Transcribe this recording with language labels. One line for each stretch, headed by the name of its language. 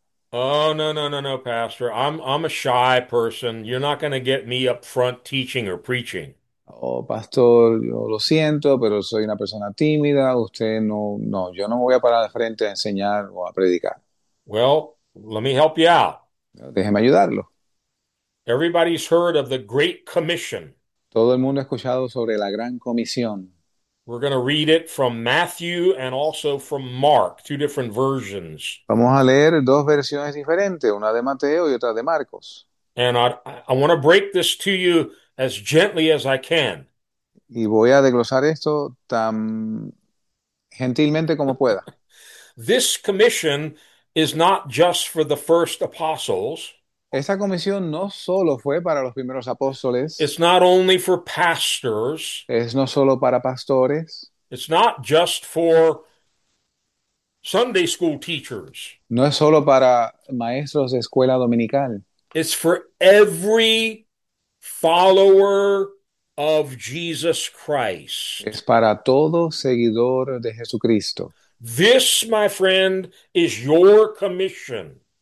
English: Oh, no, Pastor. I'm a shy person. You're not going to get me up front teaching or preaching.
Spanish: Oh, pastor, yo lo siento, pero soy una persona tímida. Usted no, no, yo no me voy a parar de frente a enseñar o a predicar.
English: Well, let me help you out.
Spanish: Déjeme ayudarlo.
English: Everybody's heard of the Great Commission.
Spanish: Todo el mundo ha escuchado sobre la Gran Comisión.
English: We're going to read it from Matthew and also from Mark, two different versions.
Spanish: Vamos a leer dos versiones diferentes, una de Mateo y otra de Marcos.
English: And I want to break this to you as gently as I can.
Spanish: Y voy a desglosar esto tan gentilmente como pueda.
English: This commission is not just for the first apostles.
Spanish: Esta comisión no solo fue para los primeros apóstoles.
English: It's not only for pastors.
Spanish: Es no solo para pastores.
English: It's not just for Sunday school teachers.
Spanish: No es solo para maestros de escuela dominical.
English: It's for every follower of Jesus Christ.
Spanish: Es para todo seguidor de Jesucristo.
English: This, my friend, is your commission.